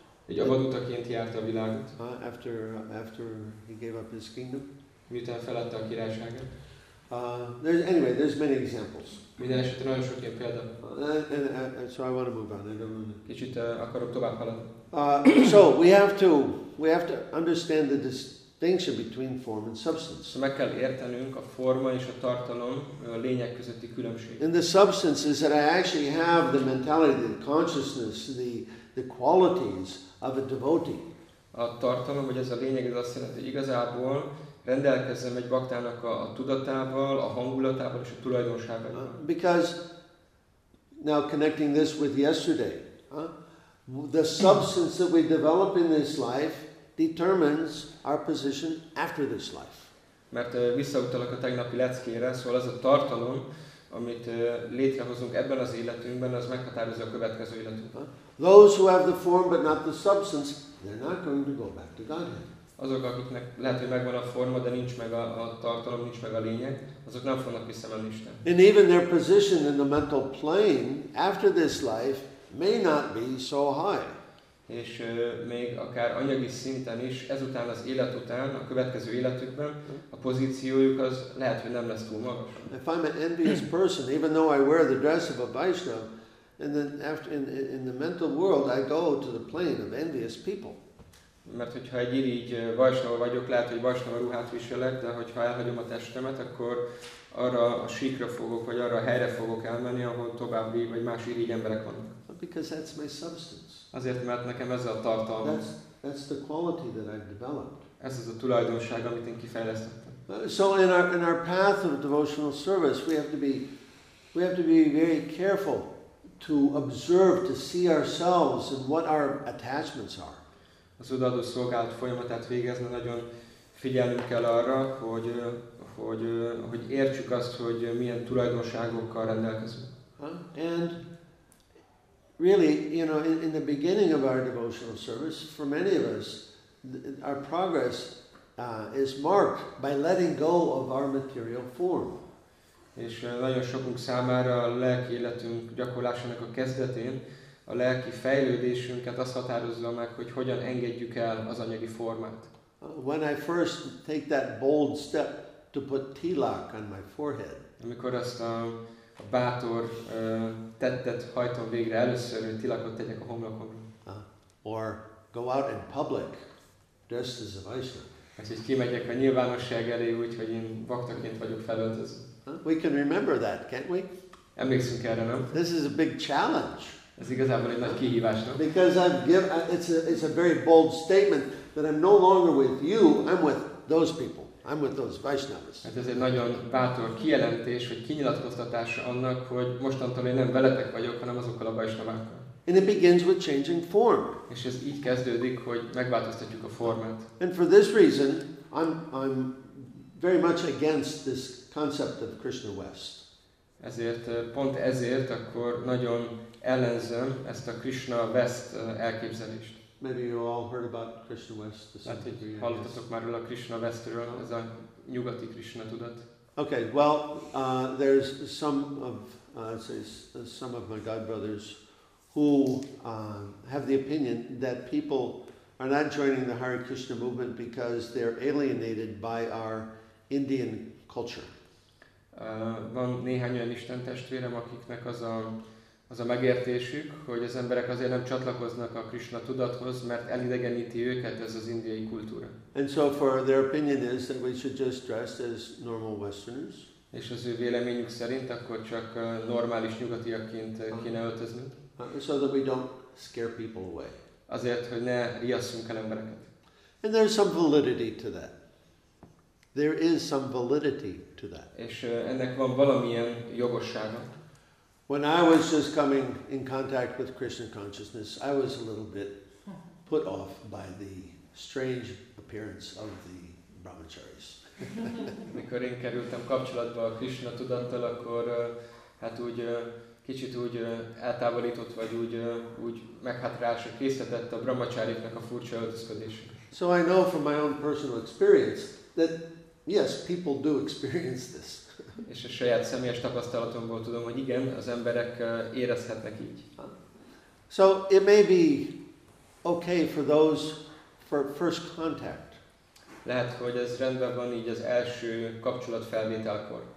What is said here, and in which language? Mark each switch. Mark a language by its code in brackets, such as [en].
[hu] Egy avadutaként járt a világot. [en] After he gave up his kingdom. [hu] Miután feladta a királyságát. [en] There's many examples. [hu] Minden esetre nagyon sok ilyen példa. [en] So I want to move on. I don't want to... [hu] Kicsit akarok tovább haladni. [en] So we have to understand the distinction between form and substance. [hu] Meg kell értenünk a forma és a tartalom a lényeg közötti különbség. [en] And the substance is that I actually have the mentality, the consciousness, the qualities of a devotee. [hu] A tartalom, vagy ez a lényeg, ez azt jelenti, hogy igazából rendelkezzem egy baktának a tudatával, a hangulatával és a tulajdonságával. [en] Because now connecting this with yesterday, the substance that we develop in this life determines our position after this life. [hu] Mert visszautalok a tegnapi leckére, szóval az a tartalom, amit létrehozunk ebben az életünkben, az meghatározza a következő életünket. [en] Those who have the form but not the substance, they're not going to go back to Godhead. [hu] Azok, akiknek lehet, hogy megvan a forma, de nincs meg a tartalom, nincs meg a lényeg, azok nem fognak visszamenni Istenhez. [en] And even their position in the mental plane after this life may not be so high. [hu] És még akár anyagi szinten is, ezután az élet után, a következő életükben, a pozíciójuk az lehet, hogy nem lesz túl magas. [en] If I'm an envious person, even though I wear the dress of a Vaishnava, and then after in the mental world I go to the plane of envious people. [hu] Mert hogyha egy irigy Vaishnava vagyok, lehet, hogy Vaishnava ruhát viselek, de hogyha elhagyom a testemet, akkor arra a síkra fogok, vagy arra a helyre fogok elmenni, ahol további, vagy más irigy emberek vannak. [en] Because that's my substance. [hu] Azért, mert nekem ez a tartalmam. [en] That's the quality that I've developed. [hu] Ez az a tulajdonság, amit én kifejlesztettem. [en] So in our path of devotional service, we have to be very careful to observe, to see ourselves and what our attachments are. [hu] Az odaadó szolgálat folyamatát végezni, nagyon figyelnünk kell arra, hogy értsük azt, hogy milyen tulajdonságokkal rendelkezünk. [en] And really, you know, in the beginning of our devotional service, for many of us, our progress is marked by letting go of our material form. [hu] És nagyon sokunk számára a lelki életünk gyakorlásának a kezdetén, a lelki fejlődésünket az határozza meg, hogy hogyan engedjük el az anyagi formát. [en] When I first take that bold step to put tilak on my forehead. [hu] Amikor azt a bátor tettet hajtom végre először, hogy tilakot tegyek a homlokomra. [en] Or go out in public dressed as a vajsnava. [hu] Hogy kimegyek a nyilvánosság elé, úgyhogy én baktaként vagyok felöltözve. [en] We can remember that, can't we? [hu] Emlékszünk erre, nem? [en] This is a big challenge. [hu] Ez igazából egy nagy kihívás, nem? [en] Because it's a very bold statement that I'm no longer with you, I'm with those people. I'm with those Vaishnavas. [hu] Hát ez egy nagyon bátor kijelentés, vagy kinyilatkoztatása annak, hogy mostantól én nem veletek vagyok, hanem azokkal a Vaishnavákkal. [en] And it begins with changing form. [hu] És ez így kezdődik, hogy megváltoztatjuk a formát. [en] And for this reason, I'm very much against this concept of Krishna West. [hu] Ezért, pont ezért, akkor nagyon ellenzem ezt a Krishna West elképzelést. [en] Maybe you all heard about Krishna West. [hu] Hát, hogy hallottatok már róla a Krishna Westről, ez a nyugati Krishna tudat. [en] Okay, well, there's some of, let's say, some of my god brothers who have the opinion that people are not joining the Hare Krishna movement because they're alienated by our Indian culture. [hu] Van néhány olyan Isten testvérem, akiknek az a megértésük, hogy az emberek azért nem csatlakoznak a Krishna tudathoz, mert elidegeníti őket ez az indiai kultúra. [en] And so for their opinion is that we should just dress as normal Westerners. [hu] És az ő véleményük szerint akkor csak normális nyugatiakként kéne öltözni. [en] So that we don't scare people away. [hu] Azért, hogy ne riasszunk el embereket. [en] And there's some validity to that. There is some validity to that. [hu] És ennek van valamilyen jogossága. [en] When I was just coming in contact with Krishna consciousness, I was a little bit put off by the strange appearance of the brahmacharis. [hu] Mikor én kerültem kapcsolatba a Krishna tudattal, akkor hát úgy kicsit úgy eltávolított, vagy úgy meghátrálásra készített a brahmacháriknak a furcsa öltözködése. [en] So I know from my own personal experience that yes, people do experience this. [hu] És a saját személyes tapasztalatomból tudom, hogy igen, az emberek érezhetnek így. [en] So it may be okay for those for first contact. [hu] Lehet, hogy ez rendben van így az első kapcsolat felvételkor.